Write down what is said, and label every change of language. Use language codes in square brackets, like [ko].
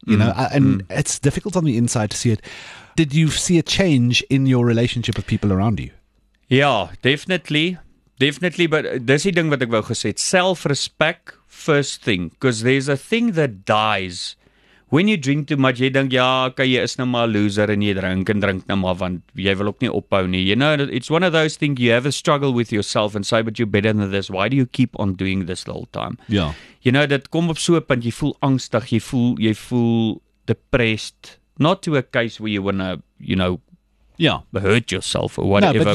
[en] You know, it's difficult on the inside to see it. Did you see a change in your relationship with people around you? Yeah, definitely. Definitely, but [af] dis die ding wat ek wou gesê, [en] self-respect first thing, because there's a thing that dies when you drink too much. [af] Jy dink, ja, okay, jy is nou maar a loser en jy drink nou maar, want jy wil ook nie ophou nie. [en] You know, it's one of those things you have a struggle with yourself and say, but you're better than this. Why do you keep on doing this the whole time? Yeah. You know, [af] dit kom op so 'n punt, jy voel angstig, jy voel depressed, [en] not to a case where you wanna, you know, yeah, hurt yourself or whatever.